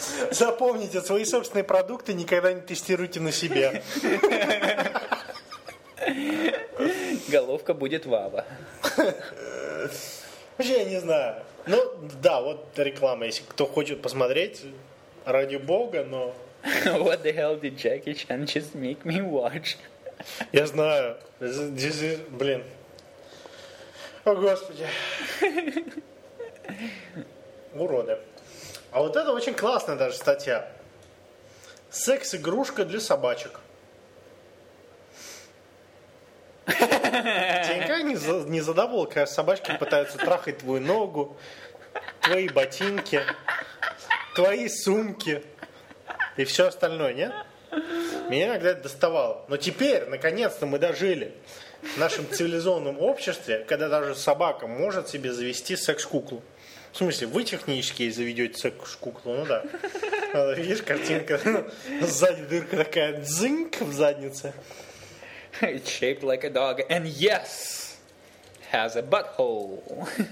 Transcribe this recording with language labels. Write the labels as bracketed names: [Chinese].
[Russian] Запомните, свои собственные продукты никогда не тестируйте на себе. Головка будет вава. Вообще, я не знаю. Ну, да, вот реклама. Если кто хочет посмотреть, ради бога, но... [English] What the hell did Jackie Chan just make me watch? [Russian] Я знаю. [English] This is... [Russian] Блин. О, господи. Уроды. А вот это очень классная даже статья. Секс-игрушка для собачек. Тебя никогда не задавало, когда собачки пытаются трахать твою ногу, твои ботинки, твои сумки и все остальное, нет? Меня иногда это доставало. Но теперь, наконец-то, мы дожили в нашем цивилизованном обществе, когда даже собака может себе завести секс-куклу. В смысле, вы технически заведете секс-куклу, ну да. Видишь, картинка, сзади дырка такая, дзыньк в заднице. [English] It's shaped like a dog, and yes, has a butthole.